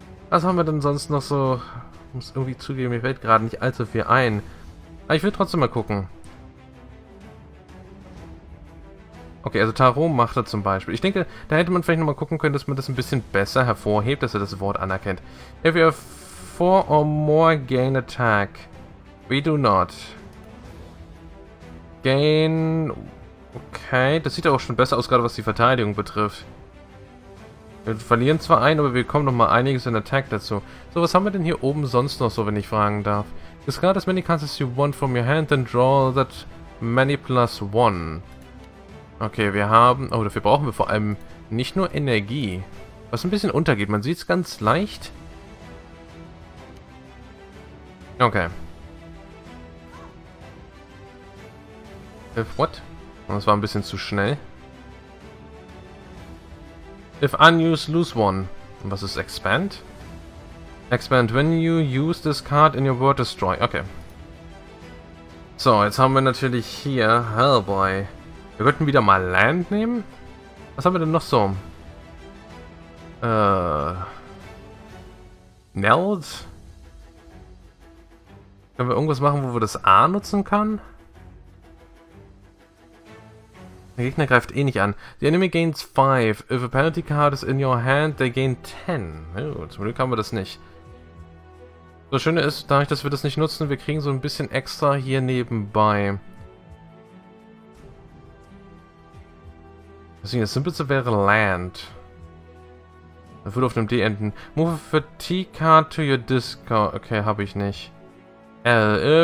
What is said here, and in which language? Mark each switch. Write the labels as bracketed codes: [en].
[de] Was haben wir denn sonst noch so? Ich muss irgendwie zugeben, mir fällt gerade nicht allzu viel ein. Aber ich will trotzdem mal gucken. Okay, also Tarot macht er zum Beispiel. Ich denke, da hätte man vielleicht nochmal gucken können, dass man das ein bisschen besser hervorhebt, dass er das Wort anerkennt. [en] If you have 4 or more gain attack, we do not. Gain... [de] Okay, das sieht auch schon besser aus, gerade was die Verteidigung betrifft. Wir verlieren zwar einen, aber wir bekommen nochmal einiges in Attack dazu. So, was haben wir denn hier oben sonst noch so, wenn ich fragen darf? [en] Discard as many cards as you want from your hand, then draw that many plus one. [de] Okay, wir haben... Oh, dafür brauchen wir vor allem nicht nur Energie. Was ein bisschen untergeht, man sieht es ganz leicht. Okay. [en] What? [de] Das war ein bisschen zu schnell. [en] If unused, lose one. [de] Und was ist Expand? [en] Expand, when you use this card in your World Destroy. Okay. [de] So, jetzt haben wir natürlich hier Hellboy. Wir könnten wieder mal Land nehmen. Was haben wir denn noch so? Neld? Können wir irgendwas machen, wo wir das A nutzen können? Der Gegner greift eh nicht an. [en] The enemy gains 5. If a penalty card is in your hand, they gain 10. [de] Oh, zum Glück haben wir das nicht. Das Schöne ist, dadurch, dass wir das nicht nutzen, wir kriegen so ein bisschen extra hier nebenbei. Deswegen, das Simpleste wäre Land. Das würde auf einem D enden. [en] Move a fatigue card to your discard. Okay, [de] habe ich nicht. [en] L.